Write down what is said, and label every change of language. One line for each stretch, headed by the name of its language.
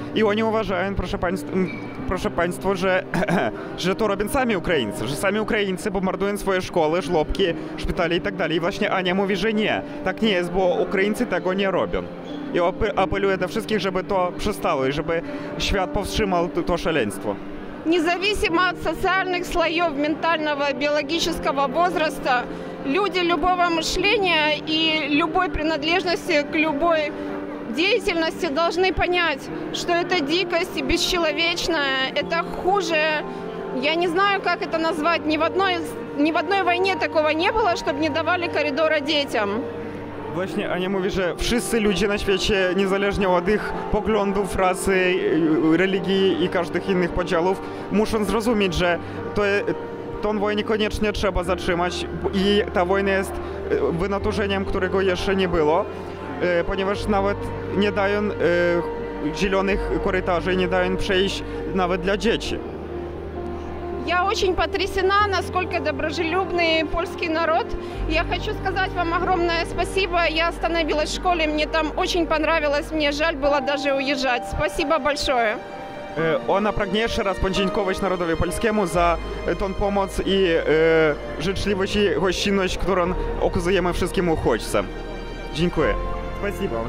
Polish: I oni uważają, proszę państwa, że to robią sami Ukraińcy, że sami Ukraińcy bombardują swoje szkoły, żłobki, szpitale i tak dalej. I właśnie Ania mówi, że nie, tak nie jest, bo Ukraińcy tego nie robią. I apeluję do wszystkich, żeby to przestało i żeby świat powstrzymał to szaleństwo.
Russian: Независимо от социальных слоев, ментального, биологического возраста, люди любого мышления и любой принадлежности к любой деятельности должны понять, что это дикость и бесчеловечная, это хуже. Я не знаю, как это назвать. Ни в одной войне такого не было, чтобы не давали коридора детям.
Polish: Właśnie Ania mówi, że wszyscy ludzie na świecie, niezależnie od ich poglądów, rasy, religii i każdych innych podziałów, muszą zrozumieć, że tą wojnę koniecznie trzeba zatrzymać i ta wojna jest wynaturzeniem, którego jeszcze nie było, ponieważ nawet nie dają zielonych korytarzy, nie dają przejść nawet dla dzieci.
Russian: Я очень потрясена, насколько доброжелюбный польский народ. Я хочу сказать вам огромное спасибо. Я остановилась в школе, мне там очень понравилось. Мне жаль было даже уезжать. Спасибо большое.
Polish: Ona pragnie jeszcze raz podziękować narodowi polskiemu za tą pomoc i życzliwość i gościnność, którą okazujemy wszystkim uchodźcom. Dziękuję.
Russian: Спасибо вам.